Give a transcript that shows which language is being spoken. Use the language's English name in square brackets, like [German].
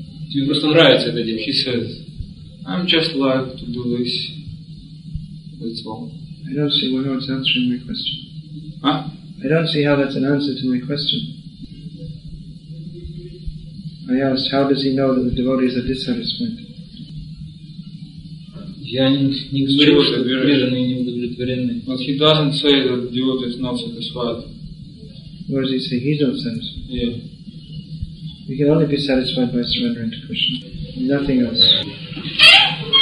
[Russian] Тебе просто нравится это дело. [English] He said, I'm just like to do this. That's all. I don't see why it's answering my question. Huh? I don't see how that's an answer to my question. I asked, how does he know that the devotees are dissatisfied? [Russian] Я не говорю, что преданные не удовлетворены. [English] But he doesn't say that the devotee is not satisfied. What does he say? He's not satisfied. Yeah. We can only be satisfied by surrendering to Krishna. Nothing else.